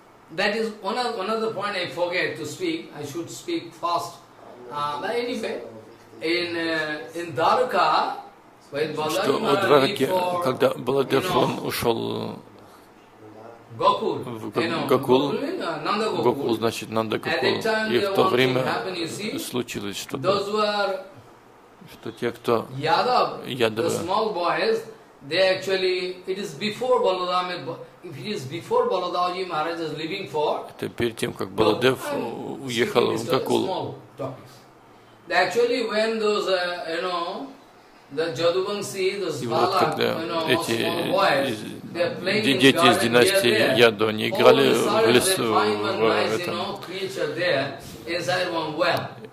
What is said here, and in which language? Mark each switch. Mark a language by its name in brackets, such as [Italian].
[Russian] в Дварке, когда Баладев ушел в Гокул, Гокул значит Нандагокул, и в то время случилось что-то, что те, кто [English] ядовы, the small boys, they actually, it is before Balarama, if it is before Baladevji Maharaj is leaving for. [Russian] Это перед тем как Баладев уехал в Гакулу. [English] Actually, when those you know the Jadubansi, those Bala, you know, эти [Russian] дети из династии Яду не играли в лесу в этом.